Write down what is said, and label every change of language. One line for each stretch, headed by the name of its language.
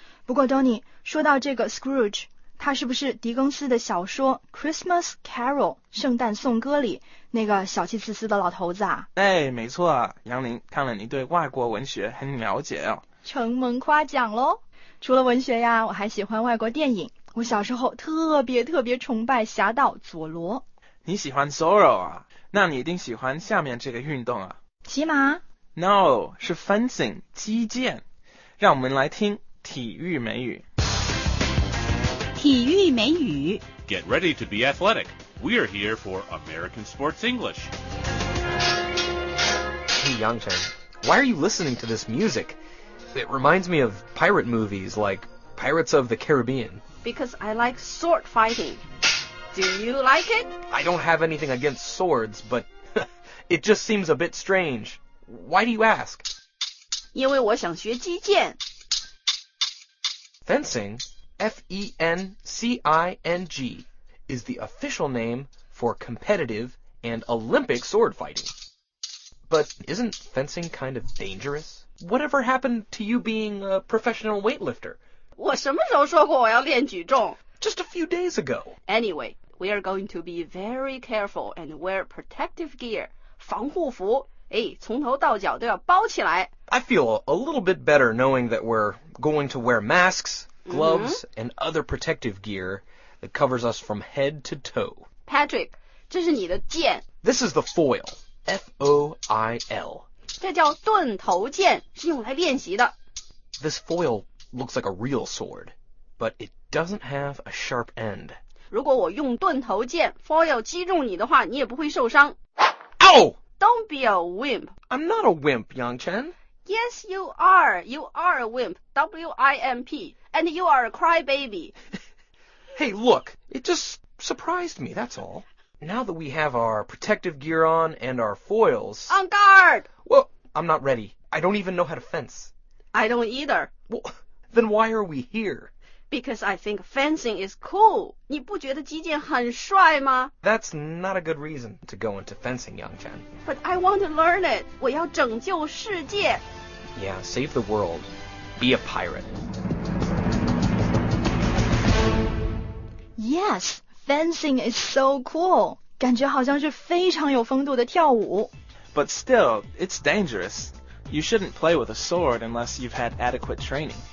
Chinese: 不过 Donny， 说到这个 Scrooge。他是不是狄更斯的小说《Christmas Carol》圣诞颂歌里那个小气自私的老头子啊？哎，没错，杨林，看来你对外国文学很了解哦。承蒙夸奖喽！除了文学呀，我还喜欢外国电影。我小时候特别特别崇拜侠盗佐罗。你喜欢 Zorro 啊？那你一定喜欢下面这个运动啊？骑马？No， 是 fencing， 击剑。让我们来听体育美语。体育美语
English: Get ready to be athletic. We are here for American Sports English. Hey, Yangcheng, why are you listening to this music? It reminds me of pirate movies like Pirates of the Caribbean. Because I like sword fighting. Do you like it? I don't have anything against swords, but it just seems a bit strange. Why do you ask?
Chinese: 因为我想学击剑
English: Fencing? FENCING is the official name for competitive and Olympic sword fighting. But isn't fencing kind of dangerous? Whatever happened to you being a professional weightlifter?
Chinese: 我什么时候说过我要练举重?
English: Just a few days ago. Anyway, we are going to be very careful and wear protective gear, 防护服。
Chinese: 哎，从头到脚都要包起来。
English: I feel a little bit better knowing that we're going to wear masks,Gloves and other protective gear that covers us from head to toe.
Chinese: Patrick, 这是你的剑。
English: This is the foil, F-O-I-L.
Chinese: 这叫盾头剑，是用来练习的。
English: This foil looks like a real sword, but it doesn't have a sharp end.
Chinese: 如果我用盾头剑 foil 击中你的话，你也不会受伤。
English: Ow! Don't be a wimp. I'm not a wimp, Yangchen. Yes, you are. You are a wimp. W-I-M-P. And you are a crybaby. Hey, look. It just surprised me, that's all. Now that we have our protective gear on and our foils... On guard! Well, I'm not ready. I don't even know how to fence. I don't either. Well, then why are we here? Because I think fencing is cool.
Chinese: 你不觉得击剑很帅吗?
English: That's not a good reason to go into fencing, Yangchen. But I want to learn it.
Chinese: 我要拯救世界。
English: Yeah, save the world. Be a pirate. Yes, fencing is so cool.
Chinese: 感觉好像是非常有风度的跳舞。
English: But still, it's dangerous. You shouldn't play with a sword unless you've had adequate training.